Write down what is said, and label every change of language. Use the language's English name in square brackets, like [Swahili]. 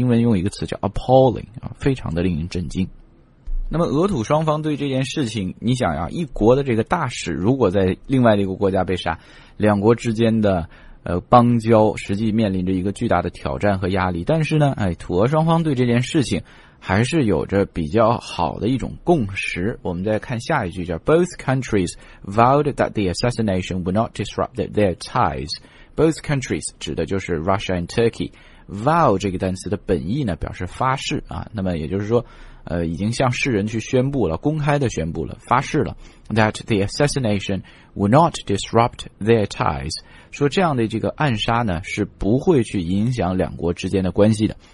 [Chinese] 英文用一个词叫 appalling 啊，非常的令人震惊。那么俄土双方对这件事情，你想啊，一国的这个大使如果在另外的一个国家被杀，两国之间的邦交实际面临着一个巨大的挑战和压力。但是呢，哎，土俄双方对这件事情还是有着比较好的一种共识。我们再看下一句，叫 [English] Both countries vowed that the assassination would not disrupt their ties. Both countries [Chinese] 指的就是 [English] Russia and Turkey。 [Chinese] Vow 这个单词的本意呢，表示发誓啊，那么也就是说已经向世人去宣布了，公开的宣布了，发誓了 [English] that the assassination would not disrupt their ties， [Chinese] 说这样的这个暗杀呢是不会去影响两国之间的关系的。